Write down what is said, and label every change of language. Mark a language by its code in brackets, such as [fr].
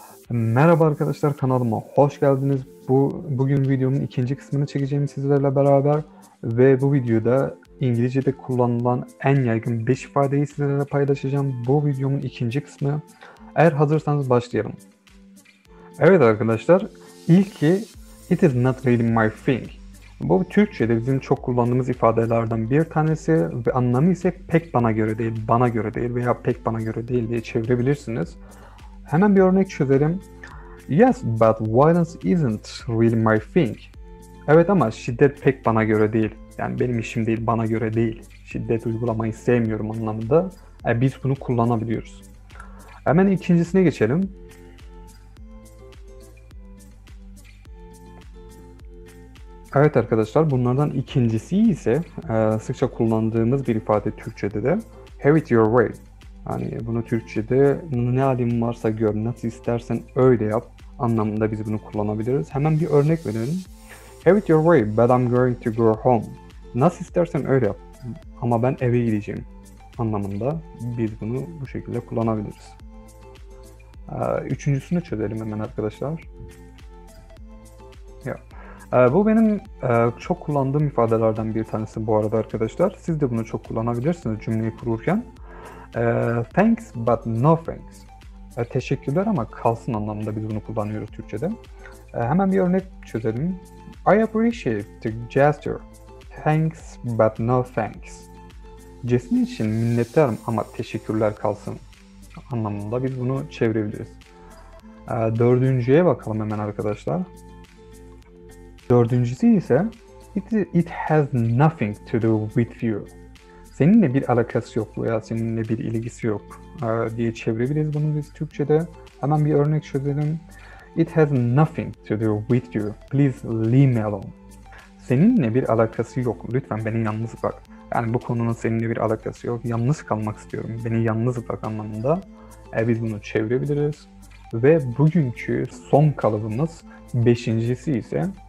[tr] Merhaba arkadaşlar, kanalıma hoş geldiniz. Bugün videomun ikinci kısmını çekeceğim sizlerle beraber ve bu videoda İngilizce'de kullanılan en yaygın 5 ifadeyi sizlerle paylaşacağım. Bu videomun ikinci kısmı. Eğer hazırsanız başlayalım. Evet arkadaşlar, ilki [en] "It is not really my thing." [tr] Bu Türkçe'de bizim çok kullandığımız ifadelerden bir tanesi ve anlamı ise "pek bana göre değil, bana göre değil" veya "pek bana göre değil" diye çevirebilirsiniz. Hemen bir örnek çözelim. [en] "Yes, but violence isn't really my thing." [tr] Evet ama şiddet pek bana göre değil. Yani benim işim değil, bana göre değil. Şiddet uygulamayı sevmiyorum anlamında. Biz bunu kullanabiliyoruz. Hemen ikincisine geçelim. Evet arkadaşlar, bunlardan ikincisi ise sıkça kullandığımız bir ifade Türkçe'de de. [en] "Have it your way." [tr] Hani bunu Türkçe'de "ne halin varsa gör, nasıl istersen öyle yap" anlamında biz bunu kullanabiliriz. Hemen bir örnek verelim. [en] "Have it your way, but I'm going to go home." [tr] Nasıl istersen öyle yap ama ben eve gideceğim anlamında biz bunu bu şekilde kullanabiliriz. Üçüncüsünü çözelim hemen arkadaşlar. Bu benim çok kullandığım ifadelerden bir tanesi bu arada arkadaşlar. Siz de bunu çok kullanabilirsiniz cümleyi kururken. [en] "Thanks but no thanks." [tr] Teşekkürler ama kalsın anlamında biz bunu kullanıyoruz Türkçe'de. Hemen bir örnek çözelim. [en] "I appreciate the gesture. Thanks but no thanks." [tr] Cesmin için "minnettarım ama teşekkürler kalsın" anlamında biz bunu çevirebiliriz. Dördüncüye bakalım hemen arkadaşlar. Dördüncüsü ise [en] "it has nothing to do with you." [tr] Seninle bir alakası yok veya seninle bir ilgisi yok diye çevirebiliriz bunu biz Türkçe'de. Hemen bir örnek çözelim. [en] "It has nothing to do with you. Please leave me alone." [tr] Seninle bir alakası yok. Lütfen beni yalnız bırak. Yani bu konunun seninle bir alakası yok. Yalnız kalmak istiyorum. Beni yalnız bırak anlamında. Biz bunu çevirebiliriz. Ve bugünkü son kalıbımız beşincisi ise...